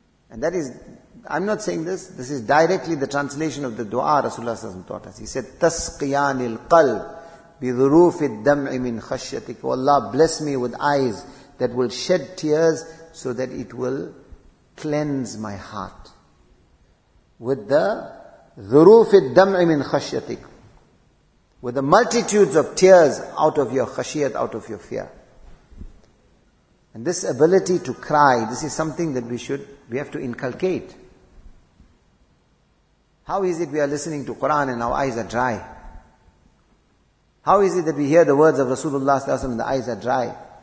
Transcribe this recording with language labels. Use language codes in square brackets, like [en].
[en] And that is, I'm not saying this, this is directly the translation of the dua Rasulullah ﷺ taught us. He said, [ar] تَسْقِيَانِ الْقَلْبِ بِذُرُوفِ الدَّمْعِ مِنْ خَشْيَتِكَ. [en] Allah, bless me with eyes that will shed tears so that it will cleanse my heart. With the [ar] ذُرُوفِ الدَّمْعِ مِنْ خَشْيَتِكَ. [en] With the multitudes of tears out of your khashiyat, out of your fear. And this ability to cry, this is something that we have to inculcate. How is it we are listening to Quran and our eyes are dry? How is it that we hear the words of Rasulullah sallallahu alaihi wasallam and the eyes are dry?